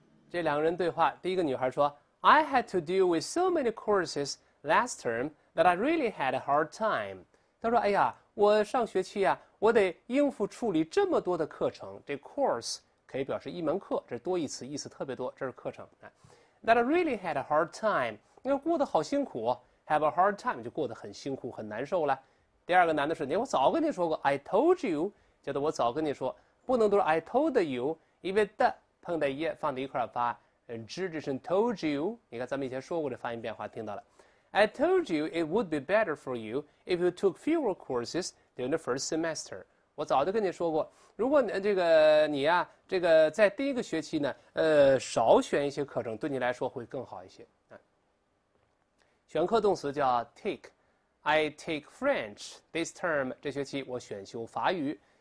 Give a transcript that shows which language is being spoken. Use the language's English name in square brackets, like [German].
[Chinese] 这两个人对话，第一个女孩说 [English] I had to deal with so many courses last term that I really had a hard time. [Chinese] 她说哎呀，我上学期啊，我得应付处理这么多的课程。这 course 可以表示一门课，这是多义词，意思特别多，这是课程。 [English] That I really had a hard time， [Chinese] 因为过得好辛苦， [English] have a hard time [Chinese] 就过得很辛苦，很难受了。第二个男的说，我早跟你说过， I told you， 觉得我早跟你说，不能都是 I told you， 因为 the 碰在 ye 放在一块发，这是 told you。你看咱们以前说过的发音变化听到了， [English] I told you it would be better for you if you took fewer courses during the first semester。 [Chinese] 我早就跟你说过，如果这个你啊，这个在第一个学期呢，少选一些课程，对你来说会更好一些。选课动词叫 take， [English] I take French this term， [Chinese] 这学期我选修法语。